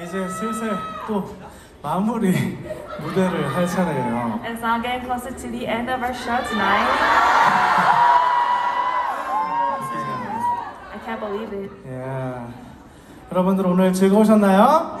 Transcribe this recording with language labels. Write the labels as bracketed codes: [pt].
[ko] 이제 슬슬 또 마무리 무대를 할 차례예요. [en] And it's now getting closer to the end of our show tonight. I can't believe it. Yeah. [ko] 여러분들 오늘 즐거우셨나요?